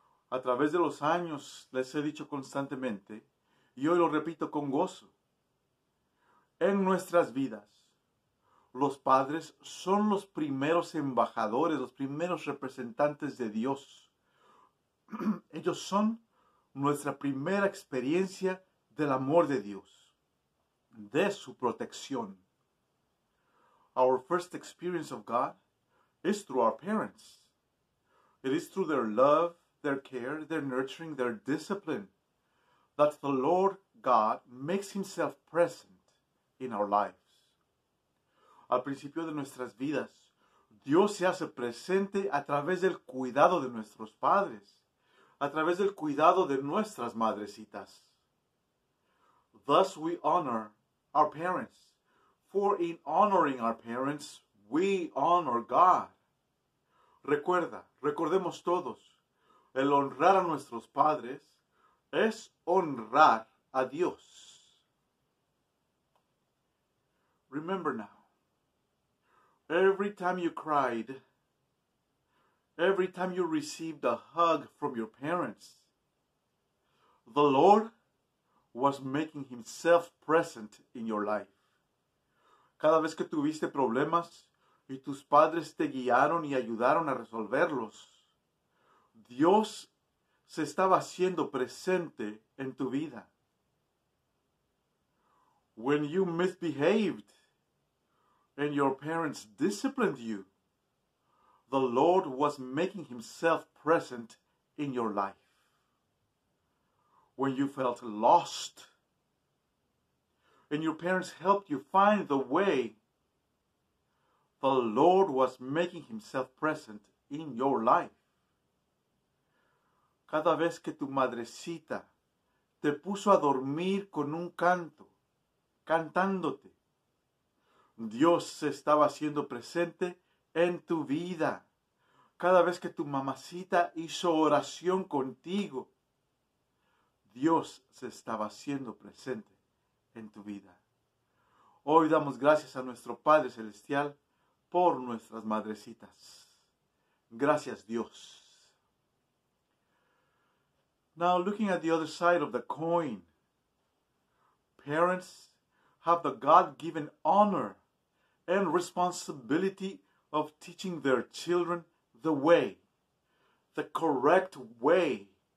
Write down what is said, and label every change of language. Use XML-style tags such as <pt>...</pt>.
<es>A través de los años les he dicho constantemente, y hoy lo repito con gozo, en nuestras vidas, los padres son los primeros embajadores, los primeros representantes de Dios. Ellos son nuestra primera experiencia del amor de Dios, de su protección.</es> <en>Our first experience of God is through our parents. It is through their love their care, their nurturing, their discipline, that the Lord God makes himself present in our lives.</en> <es>Al principio de nuestras vidas, Dios se hace presente a través del cuidado de nuestros padres, a través del cuidado de nuestras madrecitas.</es> <en>Thus we honor our parents, for in honoring our parents, we honor God.</en> <es>Recordemos todos, el honrar a nuestros padres es honrar a Dios.</es> <en>Remember now, every time you cried, every time you received a hug from your parents, the Lord was making himself present in your life.</en> <es>Cada vez que tuviste problemas y tus padres te guiaron y ayudaron a resolverlos, Dios se estaba haciendo presente en tu vida.</es> <en>When you misbehaved and your parents disciplined you, the Lord was making himself present in your life. When you felt lost and your parents helped you find the way, the Lord was making himself present in your life.</en> <es>Cada vez que tu madrecita te puso a dormir con un canto, cantándote, Dios se estaba haciendo presente en tu vida. Cada vez que tu mamacita hizo oración contigo, Dios se estaba haciendo presente en tu vida. Hoy damos gracias a nuestro Padre Celestial por nuestras madrecitas. Gracias, Dios.</es> <en>Now, looking at the other side of the coin, parents have the God-given honor and responsibility of teaching their children the way, the correct way.</en>